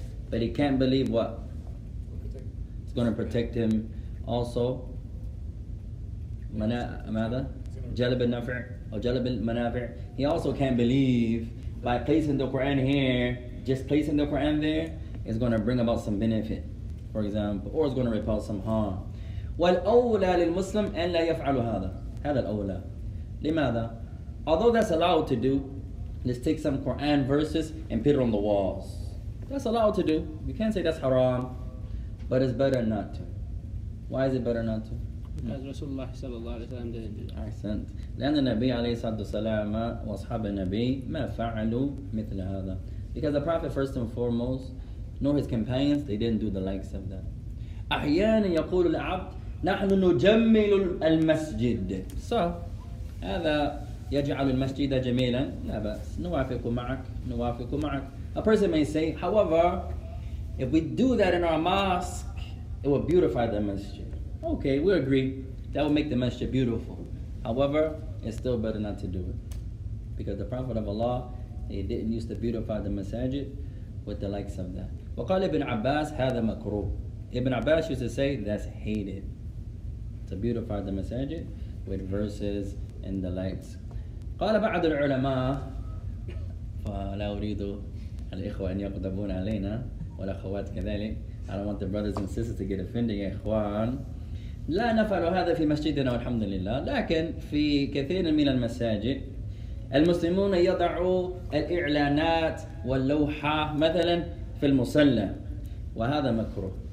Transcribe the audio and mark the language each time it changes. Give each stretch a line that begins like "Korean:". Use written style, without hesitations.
English: But he can't believe what? It's going to protect him also. He also can't believe by placing the Quran here, just placing the Quran there, is going to bring about some benefit, for example, or it's going to repel some harm.
Arabic: والأولى للمسلم أن لا يفعل هذا. هذا الأولى. لماذا?
English: Although that's allowed to do, let's take some Quran verses and put it on the walls. That's allowed to do. You can't say that's haram, but it's better not to. Why is it better not to? Because Rasulullah sallallahu alayhi wa sallam didn't do that. Accent.
Arabic: لأن النبي عليه الصلاة والسلام وأصحاب النبي ما فعلوا مثل هذا.
English: Because the Prophet first and foremost, nor his companions, they didn't do the likes of that.
Arabic: أحيانا يقول العبد نحن نجمل المسجد. So, هذا يجعل المسجد جميلا. لا بأس. نوافق معك. نوافق معك.
English: A person may say, however, if we do that in our mosque, it will beautify the masjid. Okay, we agree. That will make the masjid beautiful. However, it's still better not to do it. Because the Prophet of Allah, he didn't use to beautify the masjid with the likes of that.
Arabic: وقال ابن عباس هذا مكروه.
English: Ibn Abbas used to say, that's hated. To beautify the masjid with verses and the likes.
Arabic: قال بعض العلماء فلا أريد الإخوة أن يقدمون علينا والأخوات كذلك.
English: I don't want the brothers and sisters to get offended,
Arabic: يا إخوان. لا نفعل هذا في مسجدنا والحمد لله. لكن في كثير من المساجد المسلمون يضعوا الإعلانات واللوحة مثلا في المصلى وهذا مكروه.